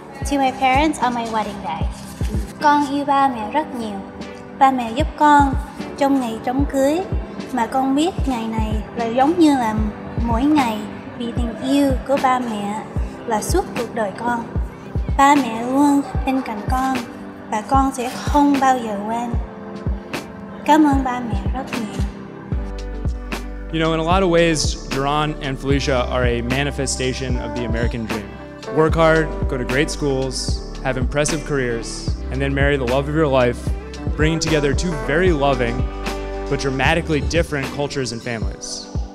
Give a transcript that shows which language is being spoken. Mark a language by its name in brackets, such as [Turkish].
[English] To my parents on my wedding day. [Vietnamese] Con yêu ba mẹ rất nhiều. Ba mẹ giúp con trong ngày trống cưới. Mà con biết ngày này là giống như là mỗi ngày vì tình yêu của ba mẹ là suốt cuộc đời con. Ba mẹ luôn bên cạnh con và con sẽ không bao giờ quên. Cảm ơn ba mẹ rất nhiều. [English] You know, in a lot of ways, DeRon and Felicia are a manifestation of the American dream. Work hard, go to great schools, have impressive careers, and then marry the love of your life, bringing together two very loving, but dramatically different cultures and families.